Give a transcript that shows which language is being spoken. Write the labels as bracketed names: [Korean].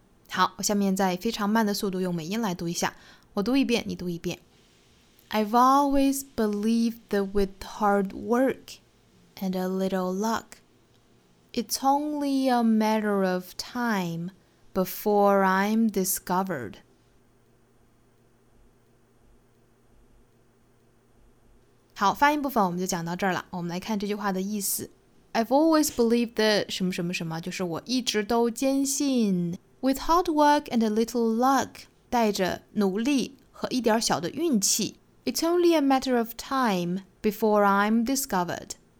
[Chinese] 好，我下面在非常慢的速度用美音来读一下。我读一遍，你读一遍。 [English] I've always believed that with hard work and a little luck, it's only a matter of time before I'm discovered. [Chinese] How 发音部分我们就讲到这儿了，我们来看这句话的意思。 [English] I've always believed that [Chinese] 什么什么什么，就是我一直都坚信 [English] with hard work and a little luck, [Chinese] 带着努力和一点小的运气 [English] It's only a matter of time before I'm discovered.